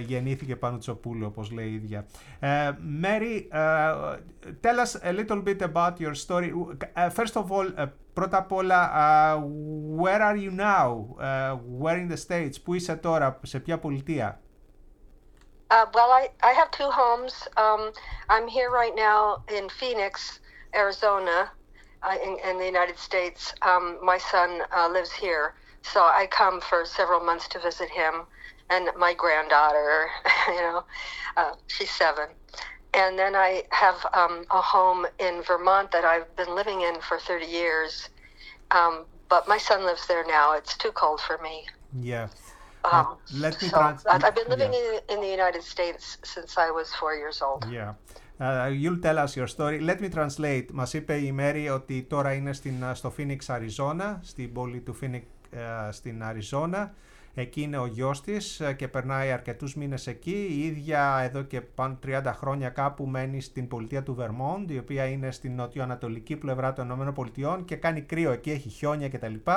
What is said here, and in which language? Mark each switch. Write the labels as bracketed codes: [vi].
[el] Γεννήθηκε Πανουτσοπούλου, όπως λέει η ίδια. [en] Mary, tell us a little bit about your story. First of all, [el] πρώτα απ' όλα, [en] where are you now? Where in the States? [el] Πού είσαι τώρα, σε ποια πολιτεία? [en] Well, I have two homes. I'm here right now in Phoenix, Arizona. In the United States, my son lives here, so I come for several months to visit him and my granddaughter. You know, she's 7, and then I have a home in Vermont that I've been living in for 30 years, but my son lives there now. It's too cold for me. Yeah. I've been living in the United States since I was 4 years old. Yeah. You'll tell us your story. Let me translate. [el] Μας είπε η Μέρη ότι τώρα είναι στο Phoenix, Arizona, στην πόλη του Phoenix στην Αριζόνα. Εκεί είναι ο γιος της και περνάει αρκετούς μήνες εκεί. Η ίδια εδώ και πάνω 30 χρόνια κάπου μένει στην πολιτεία του Vermont, η οποία είναι στην νοτιοανατολική πλευρά των Ηνωμένων Πολιτειών και κάνει κρύο εκεί, έχει χιόνια κτλ.